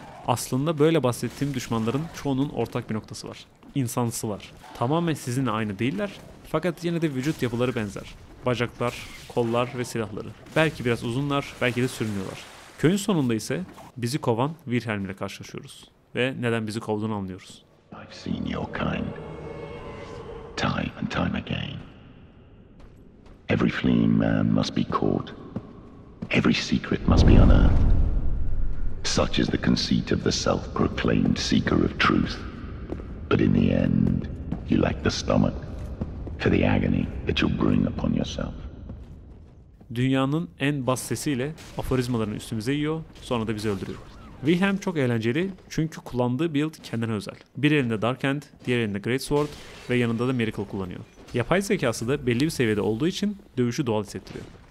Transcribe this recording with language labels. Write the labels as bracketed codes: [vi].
[tr] Aslında böyle bahsettiğim düşmanların çoğunun ortak bir noktası var. İnsansılar. Tamamen sizinle aynı değiller fakat yine de vücut yapıları benzer. Bacaklar, kollar ve silahları. Belki biraz uzunlar, belki de sürünüyorlar. Köyün sonunda ise bizi kovan Wilhelm ile karşılaşıyoruz. Ve neden bizi kovduğunu anlıyoruz. [en] I've seen your kind time and time again. Every fleeing man must be caught. Every secret must be unearthed. Such is the conceit of the self-proclaimed seeker of truth. But in the end, you lack the stomach for the agony that you bring upon yourself. [tr] Dünyanın en bas sesiyle aforizmalarını üstümüze yiyor, sonra da bizi öldürüyor. Wilhelm çok eğlenceli çünkü kullandığı build kendine özel. Bir elinde Dark Hand, diğer elinde Great Sword ve yanında da Miracle kullanıyor. Yapay zekası da belli bir seviyede olduğu için dövüşü doğal hissettiriyor.